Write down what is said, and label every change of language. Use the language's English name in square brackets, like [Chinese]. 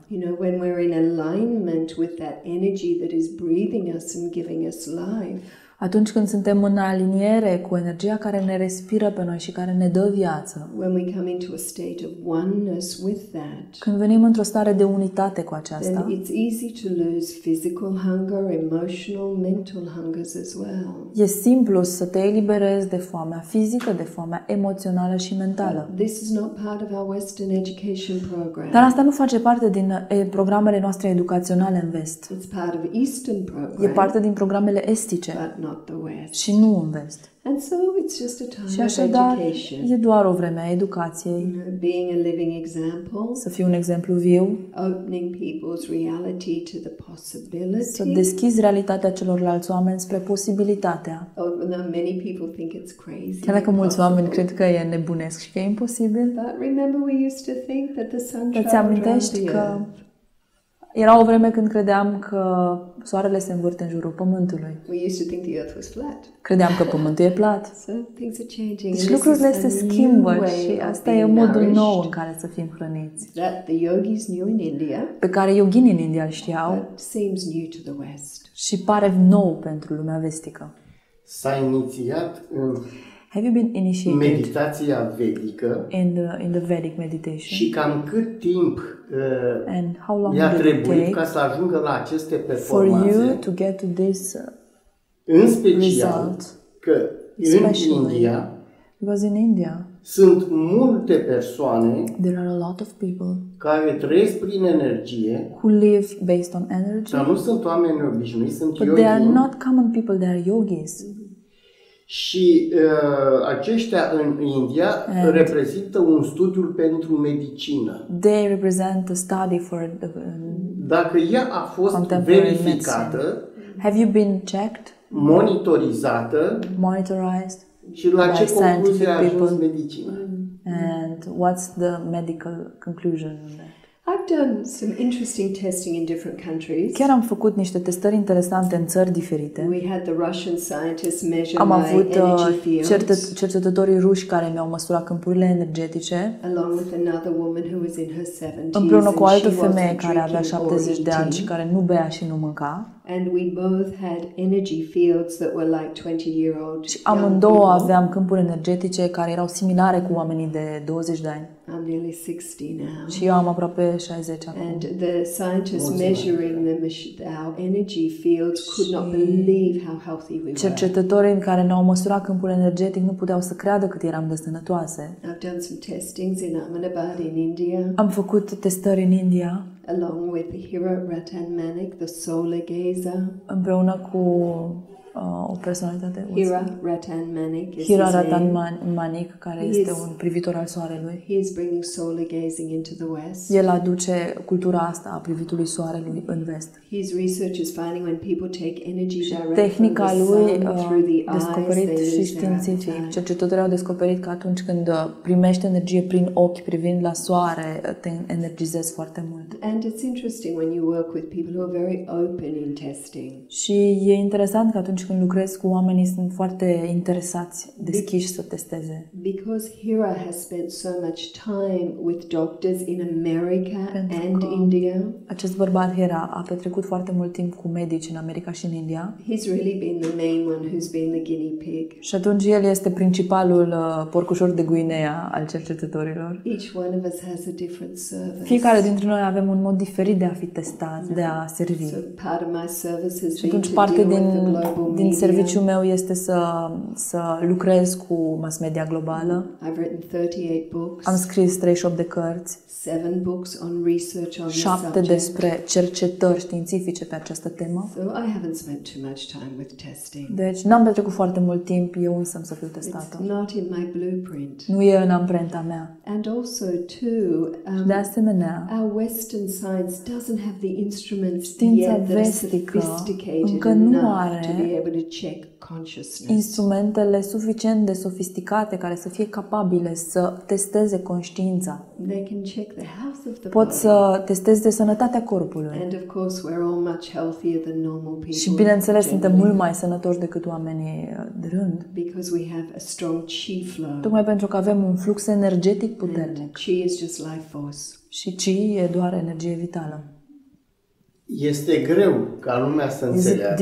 [English] You know, when we're in alignment with that energy that is breathing us and giving us life. [Romanian] Atunci când suntem în aliniere cu energia care ne respiră pe noi și care ne dă viață. [English] When we come into a state of oneness with that. [Romanian] Când venim într-o stare de unitate cu aceasta. [English] Then it's easy to lose physical hunger, emotional, mental hungers as well. [Romanian] E simplu să te eliberezi de foamea fizică, de foamea emoțională și mentală. [English] But this is not part of our Western education program. [Romanian] Dar asta nu face parte din programele noastre educaționale în vest. [English] It's part of Eastern program. [Romanian] E parte din programele estice. [English] Not the West. [Romanian] Și nu în vest. [English] And so it's just a time [Romanian] și așadar, [English] of education. [Romanian] E doar o vreme a educației. [English] Being a living example. [Romanian] Să fii un exemplu viu. [English] Opening people's reality to the possibility. [Romanian] Să deschizi realitatea celorlalți oameni spre posibilitatea. [English] Oh, many people think it's crazy. [Romanian] Chiar dacă mulți oameni cred că e nebunesc și că e imposibil. [English] But remember we used to think that the sun traveled around the earth. [Romanian] Era o vreme când credeam că soarele se învârte în jurul pământului. [English] We used to think the earth was flat. [Romanian] Credeam că pământul e plat. [English] So things are changing. [Romanian] Deci lucrurile se schimbă și asta e modul nou în care să fim hrăniți. [English] That the yogis knew in India. [Romanian] Pe care yoginii în India știau. [English] Seems new to the West. [Romanian] Și pare nou pentru lumea vestică. S-a inițiat în [English] Have you been initiated? [Romanian] Meditația vedică. [English] In the Vedic meditation. [Romanian] Și cam cât timp [English] and how long [Romanian] i-a trebuit ca să ajungă la aceste performanțe? [English] For you to get to this [Romanian] în special că în India, [English] because in India [Romanian] sunt multe persoane [English] there are a lot of people [Romanian] care trăiesc prin energie, [English] who live based on energy, [Romanian] dar nu sunt oameni obișnuiți, sunt [English] yogi. But they are not common people, they are yogis. [Romanian] Și aceștia în India and reprezintă un studiu pentru medicină. [English] They represent a study for [Romanian] dacă ea a fost verificată, [English] have you been checked? [Romanian] Monitorizată, [English] monitorized? [Romanian] Și la ce concluzie a ajuns medicina? [English] And what's the medical conclusion on that? I've done some interesting testing in different countries. [Romanian] Chiar am făcut niște testări interesante în țări diferite. [English] We had the Russian scientists measure my energy fields. [Romanian] Am avut cercetătorii ruși care mi-au măsurat câmpurile energetice. [English] Along with another woman who was in her 70s. [Romanian] Împreună cu o altă femeie care avea 70 de ani și care nu bea și nu mânca. [English] And we both had energy fields that were like 20-year-old. [Romanian] Și amândouă aveam câmpuri energetice care erau similare cu oamenii de 20 de ani. [English] I'm nearly 60 now. [Romanian] Și eu am aproape 60 acum. [English] And the scientists measuring the our energy fields could not believe how healthy we were. [Romanian] Cercetătorii în care ne-au măsurat câmpul energetic nu puteau să creadă cât eram de sănătoase. [English] I've done some testings in Ahmedabad in India. [Romanian] Am făcut testări în India. [English] Along with Hero Ratan Manik, the solar gazer. [Romanian] Împreună cu o personalitate. Hero Ratan Manik. Hero Ratan Manik, care este un privitor al soarelui. [English] He is bringing solar gazing into the West. [Romanian] El aduce cultura asta a privitului soarelui în vest. [English] His research is finding when people take energy directly from the sun through the eyes. [Romanian] Și științific, cercetătorii au descoperit că atunci când primești energie prin ochi privind la soare, te energizezi foarte mult. [English] And it's interesting when you work with people who are very open in testing. [Romanian] Și e interesant că atunci când lucrezi cu oamenii sunt foarte interesați, deschiși să testeze. [English] Because Hira has spent so much time with doctors in America and India. [Romanian] Acest bărbat Hira a trecut foarte mult timp cu medici în America și în India. [English] He's really been the main one who's been the guinea pig. [Romanian] Și atunci el este principalul porcușor de Guinea al cercetătorilor. [English] Each one of us has a different service. [Romanian] Fiecare dintre noi avem un mod diferit de a fi testat, de a servi. [English] So part of my service [Romanian] și atunci parte din serviciul meu este să lucrez cu mass media globală. [English] I've written 38 books. [Romanian] Am scris 38 de cărți. [English] 7 books on research on [Romanian] 7 despre cercetări științifice pe această temă. [English] So I haven't spent too much time with testing. [Romanian] Deci n-am petrecut foarte mult timp eu însă să fiu testată. [English] It's not in my blueprint. [Romanian] Nu e în amprenta mea. [English] And also too, [Romanian] de asemenea, [English] our Western science doesn't have the instruments yet that are sophisticated [Romanian] încă nu are [English] enough to be able to check consciousness. [Romanian] Instrumentele suficient de sofisticate care să fie capabile să testeze conștiința. [English] They can check the health of the [Romanian] pot să testeze sănătatea corpului. [English] And of course we're all much healthier than normal people. [Romanian] Și bineînțeles suntem mult mai sănătoși decât oamenii de rând. [English] Because we have a strong chi flow. [Romanian] Tocmai pentru că avem un flux energetic puternic. [English] Chi is just life force. [Romanian] Și chi e doar energie vitală. Este greu ca lumea să înțeleagă.